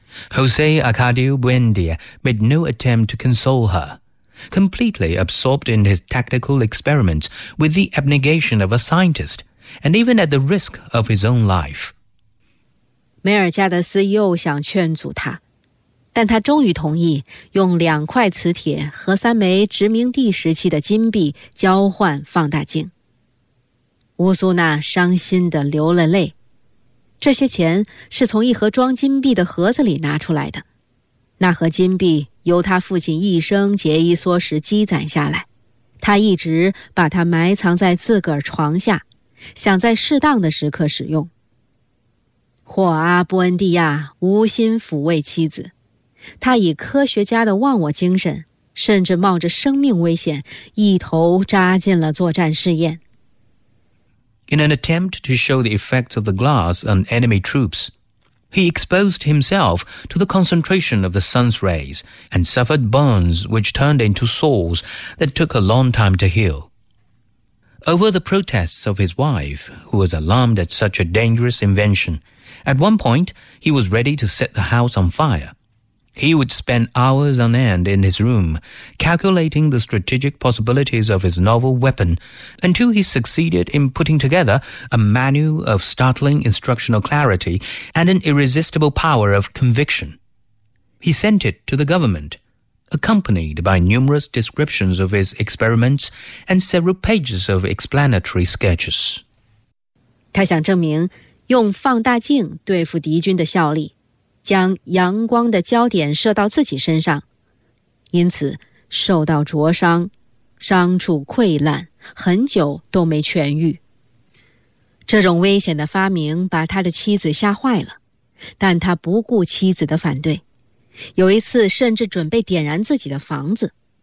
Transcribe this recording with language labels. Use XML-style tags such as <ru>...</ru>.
<en>José Arcadio Buendía made no attempt to console her, completely absorbed in his tactical experiments with the abnegation of a scientist and even at the risk of his own life.</en> <zh>梅尔加德斯又想劝阻他。但他终于同意用两块磁铁和三枚殖民地时期的金币交换放大镜。乌苏纳伤心地流了泪，这些钱是从一盒装金币的盒子里拿出来的，那盒金币由他父亲一生节衣缩食积攒下来，他一直把它埋藏在自个儿床下，想在适当的时刻使用。霍阿布恩蒂亚无心抚慰妻子，他以科学家的忘我精神，甚至冒着生命危险，一头扎进了作战试验。</zh> <en>In an attempt to show the effects of the glass on enemy troops, he exposed himself to the concentration of the sun's rays and suffered burns which turned into sores that took a long time to heal. Over the protests of his wife, who was alarmed at such a dangerous invention, at one point he was ready to set the house on fire. He would spend hours on end in his room, calculating the strategic possibilities of his novel weapon, until he succeeded in putting together a manual of startling instructional clarity and an irresistible power of conviction. He sent it to the government, accompanied by numerous descriptions of his experiments and several pages of explanatory sketches.</en> <zh>他想证明用放大镜对付敌军的效力。将阳光的焦点射到自己身上，因此受到灼伤，伤处溃烂，很久都没痊愈。这种危险的发明把他的妻子吓坏了，但他不顾妻子的反对，有一次甚至准备点燃自己的房子。</zh>